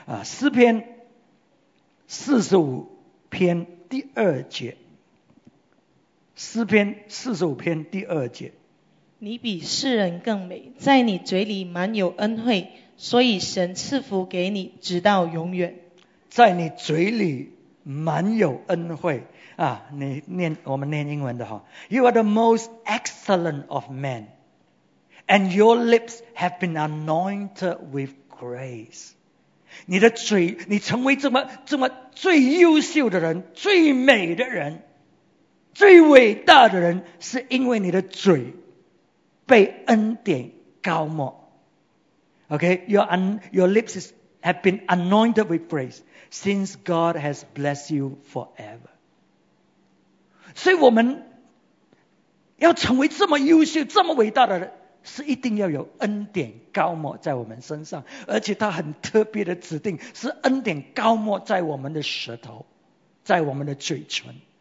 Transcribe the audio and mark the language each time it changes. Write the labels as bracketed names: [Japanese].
[Chinese] 诗篇四十五篇第二节，诗篇四十五篇第二节，你比世人更美，在你嘴里满有恩惠，所以神赐福给你直到永远。在你嘴里满有恩惠啊，你念，我们念英文的哈。 [English] You are the most excellent of men, and your lips have been anointed with grace. [Chinese] 你的嘴，你成为这么最优秀的人，最美的人，最伟大的人，是因为你的嘴被恩典膏抹。 [English] Okay, your lips is. Have been anointed with grace since God has blessed you forever. [Chinese] 所以我们要成为这么优秀、这么伟大的人，是一定要有恩典膏抹在我们身上，而且他很特别的指定是恩典膏抹在我们的舌头、在我们的嘴唇。